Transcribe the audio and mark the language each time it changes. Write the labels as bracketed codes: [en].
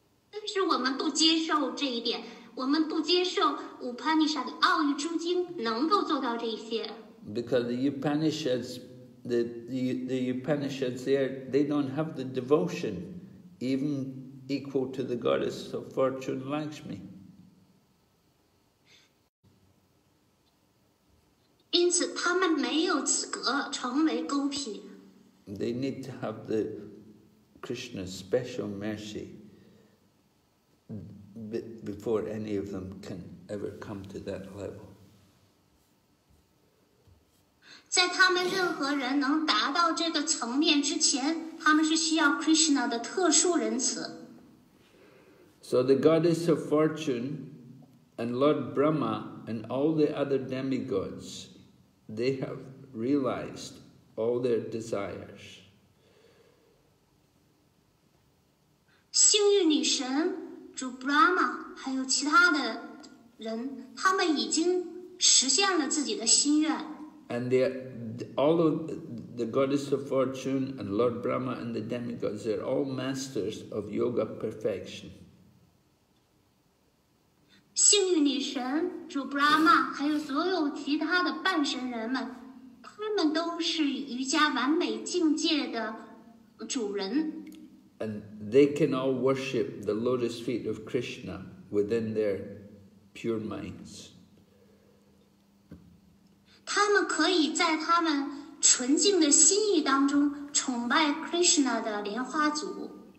[zh] 但是我们不接受这一点，我们不接受 Upanishad 的奥义诸经能够做到这些。 [en] Because the Upanishads there, they don't have the devotion even equal to the goddess of fortune Lakshmi. In [zh] 此他们没有资格成为勾毗。 [en] They need to have the Krishna's special mercy before any of them can ever come to that level. [zh] 在他们任何人能达到这个层面之前，他们是需要 Krishna 的特殊仁慈。 [en] So the goddess of fortune and Lord Brahma and all the other demigods, they have realized all their desires. [zh] 幸运女神、主 Brahma 还有其他的人，他们已经实现了自己的心愿。 [en] And they, all of the goddess of fortune and Lord Brahma and the demigods, they're all masters of yoga perfection. [zh] 幸运女神、主 Brahma 还有所有其他的半神人们，他们都是瑜伽完美境界的主人。 [en] And they can all worship the lotus feet of Krishna within their pure minds. [zh] 他们可以在他们纯净的心意当中崇拜 Krishna 的莲花足。